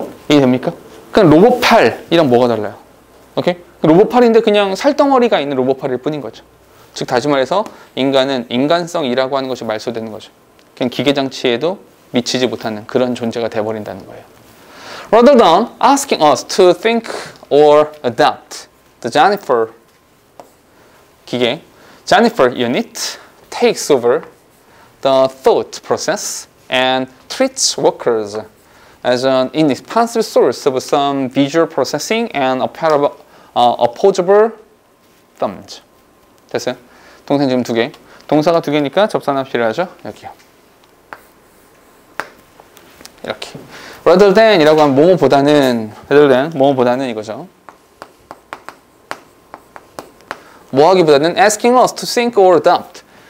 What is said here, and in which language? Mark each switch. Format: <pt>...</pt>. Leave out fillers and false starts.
<ko>이해됩니까? 그냥 로봇팔이랑 뭐가 달라요? 오케이? 로봇팔인데 그냥 살덩어리가 있는 로봇팔일 뿐인 거죠. 즉 다시 말해서 인간은 인간성이라고 하는 것이 말소되는 거죠. 그냥 기계장치에도 미치지 못하는 그런 존재가 돼버린다는 거예요.</ko> <en>Rather than asking us to think or adapt the Jennifer</en> <ko>기계,</ko> <en>Jennifer unit takes over the thought process and treats workers as an indispensable source of some visual processing and opposable thumbs.</en> <ko>됐어요? 동사 지금 두 개. 동사가 두 개니까 접사나 필요하죠? 여기요. 이렇게.</ko> <en>Rather than</en> <ko>이라고 하면 뭐뭐보다는</ko> <en>rather than</en> <ko>뭐뭐보다는 이거죠. 뭐하기보다는</ko> <en>asking us to think or adapt.</en>